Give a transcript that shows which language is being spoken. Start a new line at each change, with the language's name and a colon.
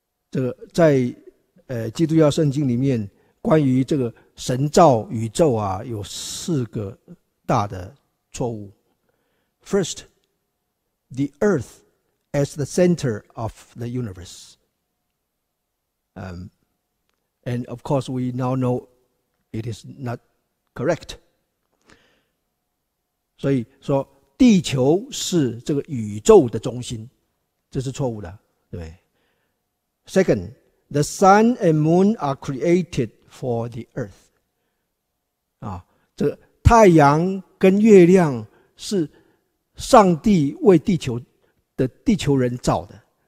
Chinese: 这个在基督教圣经里面关于这个神造宇宙啊有四个大的错误。
English: First, the earth as the center of the universe. And of course we now know it is not correct.
Chinese: 所以说地球是这个宇宙的中心。这是错误的，对不对？
English: Second, the sun and moon are created for the earth.
Chinese: 啊，这太阳跟月亮是上帝为地球人造的。